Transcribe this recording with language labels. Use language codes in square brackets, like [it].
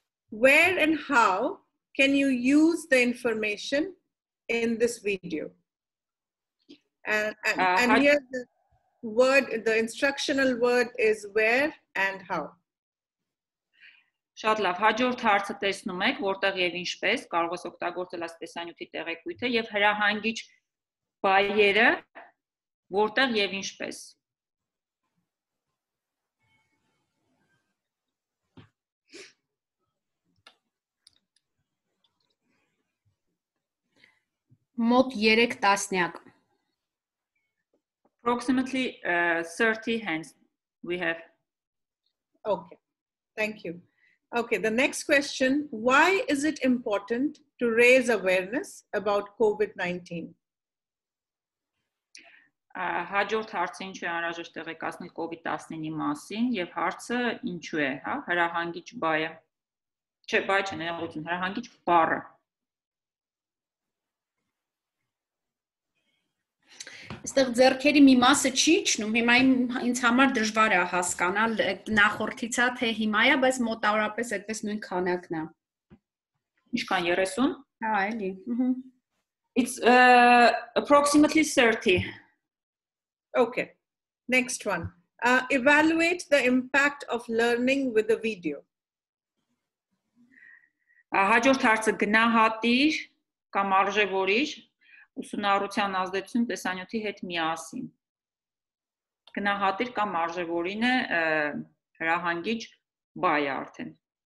[en] Where and how can you use the information in this video? And here the word, the instructional word is where and how. [hy] Շատ լավ, հաջորդ հարցը տեսնում եք, որտեղ եւ ինչպես կարող ես օգտագործել այս տեսանյութի տեղեկույթը եւ հրահանգիչ բայերը որտեղ եւ ինչպես։ Մոտ 3 տասնյակ։ [en] Approximately 30 hands we have. Okay. Thank you. Okay, the next question, why is it important to raise awareness about COVID-19? [hy] Հաջորդ հարցը ինչու է անհրաժեշտ տեղեկացնել COVID-19-ի մասին եւ հարցը ինչու է, հա, հրահանգիչ բայը։ Չէ, բայ չէ, նեղություն, հրահանգիչ բառը։ Այստեղ ձեռքերի մի մասը չի իջնում, հիմա ինձ համար դժվար է հասկանալ նախորդից է թե հիմա է, բայց մոտավորապես այդպես նույն քանակն է։ Ինչքան 30? Հա, էլի։ [en] It's approximately 30. Okay. Next one. Evaluate the impact of learning with a video. [hy] Հաջորդ հարցը գնահատիր կամ արժևորիչ ուսումնառության ազդեցություն տեսանյութի հետ միասին։ Գնահատիր կամ արժևորին է հրահանգիչ բայը արդեն։